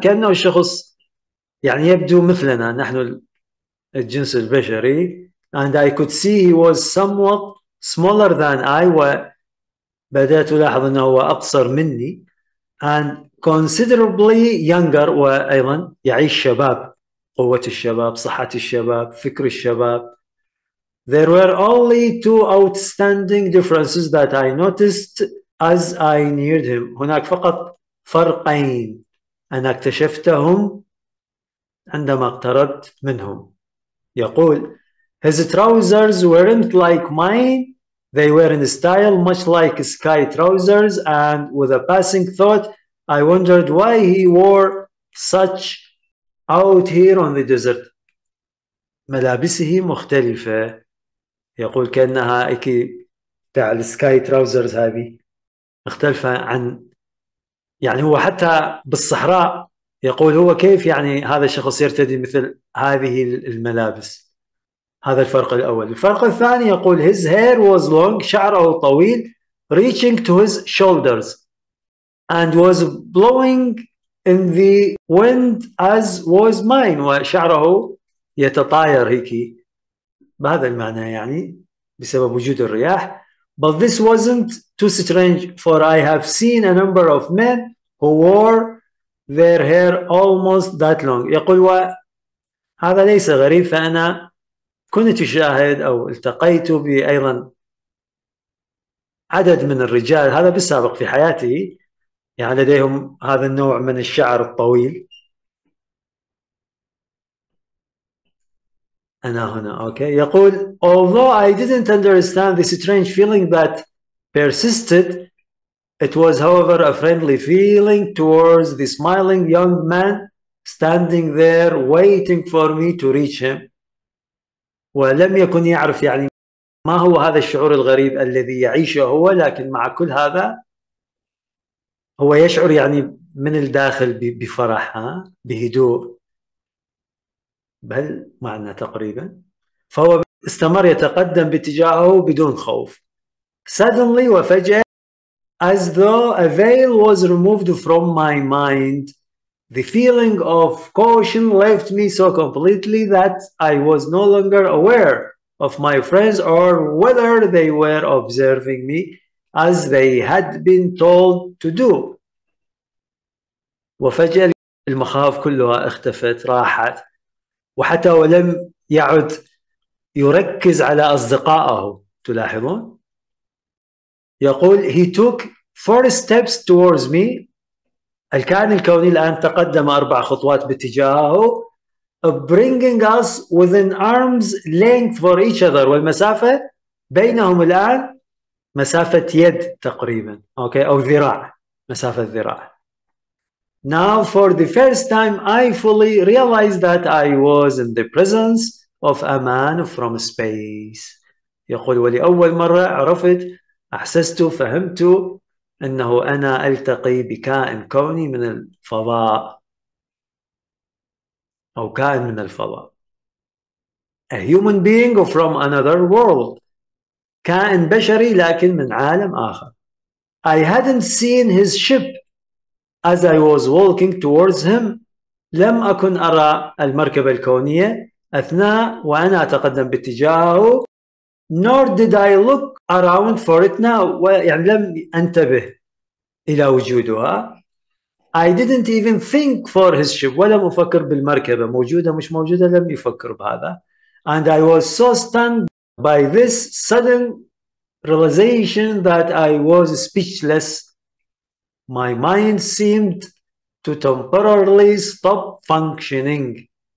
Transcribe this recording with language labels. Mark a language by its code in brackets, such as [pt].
[ar] كأنه شخص يعني يبدو مثلنا نحن الجنس البشري. [en] And I could see he was somewhat smaller than I. [ar] بدأت ألاحظ أنه هو أقصر مني. [en] And considerably younger. [ar] وأيضا يعيش شباب، قوة الشباب، صحة الشباب، فكر الشباب. [en] There were only two outstanding differences that I noticed as I neared him. [ar] هناك فقط فرقين أنا اكتشفتهم عندما اقتربت منهم. يقول [en] His trousers weren't like mine. They were in style much like sky trousers. And with a passing thought, I wondered why he wore such out here on the desert. [ar] ملابسه مختلفة. يقول كأنها إكي بتاع [en] السكاي تراوزرز [ar] هذه مختلفة عن يعني هو حتى بالصحراء. يقول هو كيف يعني هذا الشخص يرتدي مثل هذه الملابس. هذا الفرق الأول. الفرق الثاني يقول [en] his hair was long. [ar] شعره طويل [en] reaching to his shoulders and was blowing in the wind as was mine. [ar] وشعره يتطاير هيكي بهذا المعنى يعني بسبب وجود الرياح. [en] But this wasn't too strange for I have seen a number of men who wore their hair almost that long. [ar] يقول هذا ليس غريب فأنا كنت أشاهد أو التقيت بأيضا عدد من الرجال هذا بالسابق في حياتي يعني لديهم هذا النوع من الشعر الطويل. أنا هنا أوكي. يقول [en] although I didn't understand the strange feeling that persisted it was however a friendly feeling towards the smiling young man standing there waiting for me to reach him. [ar] ولم يكن يعرف يعني ما هو هذا الشعور الغريب الذي يعيشه هو، لكن مع كل هذا هو يشعر يعني من الداخل بفرح بهدوء بل معنى تقريبا. فهو استمر يتقدم باتجاهه بدون خوف. [en] suddenly [ar] وفجأة [en] as though a veil was removed from my mind. The feeling of caution left me so completely that I was no longer aware of my friends or whether they were observing me as they had been told to do. [ar] وفجأة المخاوف كلها اختفت راحت وحتى ولم يعد يركز على أصدقائه. تلاحظون؟ يقول [en] he took four steps towards me. [ar] الكائن الكوني الآن تقدم أربع خطوات باتجاهه [en] bringing us within arm's length for each other. [ar] والمسافة بينهم الآن مسافة يد تقريبا. أوكي أو ذراع، مسافة ذراع. [en] Now for the first time I fully realized that I was in the presence of a man from space. [ar] يقول ولأول مرة عرفت أحسست فهمت أنه أنا ألتقي بكائن كوني من الفضاء أو كائن من الفضاء. [en] A human being from another world. [ar] كائن بشري لكن من عالم آخر. [en] I hadn't seen his ship as I was walking towards him. [ar] لم أكن أرى المركبة الكونية أثناء وأنا أتقدم باتجاهه. [en] Nor did I look around for it now. [ar] يعني لم أنتبه إلى وجودها. [en] I didn't even think for his ship. [ar] ولم أفكر بالمركبة، موجودة مش موجودة لم يفكر بهذا. [en] And I was so stunned by this sudden realization that I was speechless. My mind seemed to temporarily stop functioning.